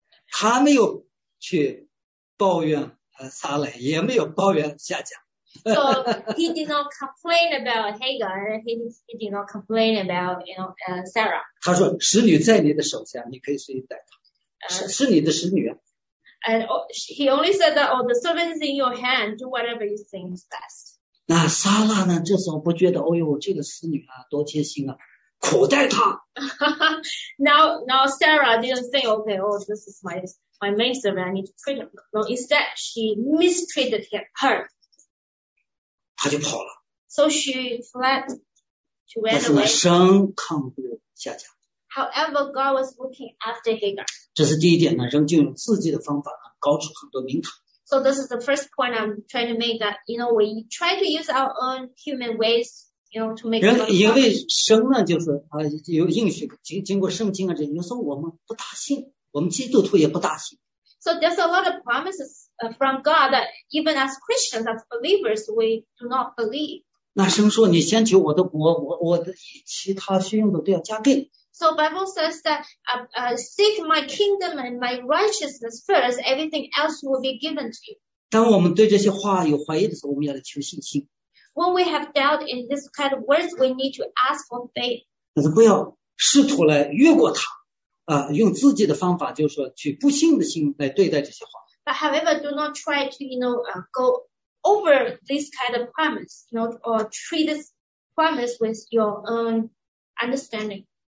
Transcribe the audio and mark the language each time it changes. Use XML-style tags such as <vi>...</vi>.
<zh>他没有去抱怨撒来，也没有抱怨夏甲。</zh> <en>So he did not complain about Hagar, and he did not complain about, you know, Sarah.</en> <zh>他说使女在你的手下，你可以随意待她，是你的使女啊。</zh> <en>And he only said that, "Oh, the servant is in your hand. Do whatever you think is best."</en> <zh>那撒拉呢？这时候不觉得，哦呦，这个使女啊，多贴心啊，苦待她。</zh> <en>Now Sarah didn't think, "Okay, oh, this is my main servant. I need to treat him." No, instead she mistreated her.</en> <zh>他就跑了。</zh> <en>So she fled to where the way.</en> <zh>神看顾夏甲。</zh> <en>However, God was looking after Hagar.</en> <zh>这是第一点呢，人就用自己的方法呢，搞出很多名堂。</zh> <en>So this is the first point I'm trying to make that, you know, we try to use our own human ways, you know, to make.</en> <zh>人因为神呢，就是啊，有应许，经过圣经啊，这有时候我们不大信，我们基督徒也不大信。</zh> <en>So there's a lot of promises from God that even as Christians, as believers, we do not believe.</en> <zh>那神说你先求我的国，我的其他需用的都要加给你，</zh> <en>So Bible says that seek my kingdom and my righteousness first, everything else will be given to you.</en> <zh>当我们对这些话有怀疑的时候，我们要来求信心。</zh> <en>When we have doubt in this kind of words, we need to ask for faith.</en> <zh>但是不要试图来越过它，用自己的方法，就是说去不信的心来对待这些话。</zh> <en>But however, do not try to, you know, go over this kind of promise, you know, or treat this promise with your own understanding.</en>